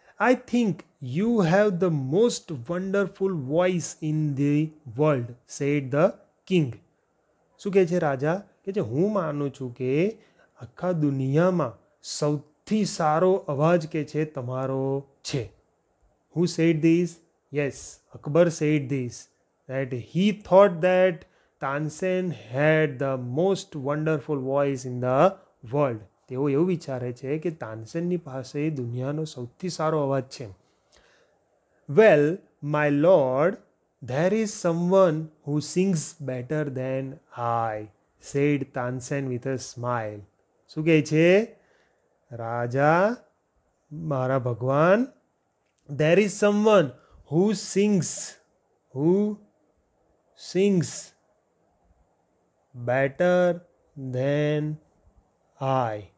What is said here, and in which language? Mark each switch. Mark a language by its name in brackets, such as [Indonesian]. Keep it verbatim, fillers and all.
[English] I think you have the most wonderful voice in the world, said the king. [Gujarati] શું કહે છે રાજા? કે જે હું માનું છું કે આખા દુનિયામાં સૌથી સારો અવાજ કે છે તમારો છે. [English] Who said this? Yes, Akbar said this. That he thought that Tansen had the most wonderful voice in the world. [Gujarati] તેઓ એવું વિચારે છે કે તાનસેનની પાસે દુનિયાનો સૌથી સારો અવાજ છે. [English] Well my lord, there is someone who sings better than I, said Tansen with a smile. [Gujarati] શું કહે છે રાજા? મારા ભગવાન, [English] There is someone who sings who sings better than I.